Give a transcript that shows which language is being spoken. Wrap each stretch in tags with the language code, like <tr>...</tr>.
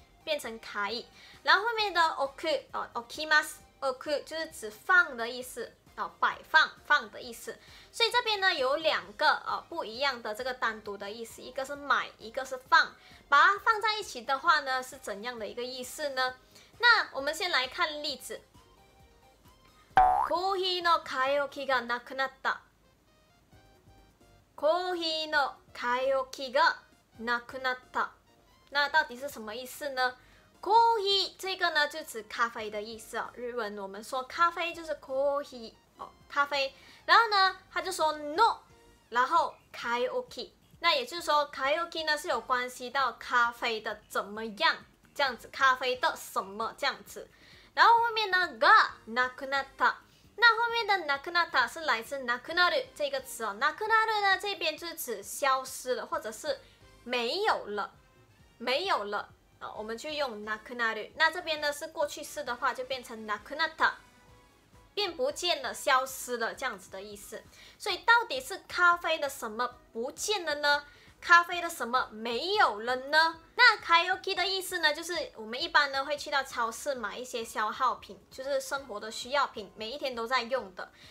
<zh>变成卡伊，然后后面的 oku 哦 okimas oku 就是指放的意思哦，摆放放的意思。所以这边呢有两个哦不一样的这个单独的意思，一个是买，一个是放。把它放在一起的话呢，是怎样的一个意思呢？那我们先来看例子。</zh> <ja>コーヒーの買い置きがなくなった。コーヒーの買い置きがなくなった。</ja> <zh>那到底是什么意思呢？コーヒー这个呢就指咖啡的意思哦，日文我们说咖啡就是コーヒー哦，咖啡。然后呢他就说 no， 然后買い置き，那也就是说買い置き呢是有关系到咖啡的怎么样这样子，咖啡的什么这样子。然后后面呢がなくなった，那后面的なくなった是来自なくなる这个词哦，なくなる呢这边就是指消失了或者是没有了，没有了，我们就用なくなる。那这边呢是过去式的话，就变成なくなった，变不见了，消失了这样子的意思。所以到底是咖啡的什么不见了呢？咖啡的什么没有了呢？那買い置き的意思呢，就是我们一般呢会去到超市买一些消耗品，就是生活的需要品，每一天都在用的。</zh>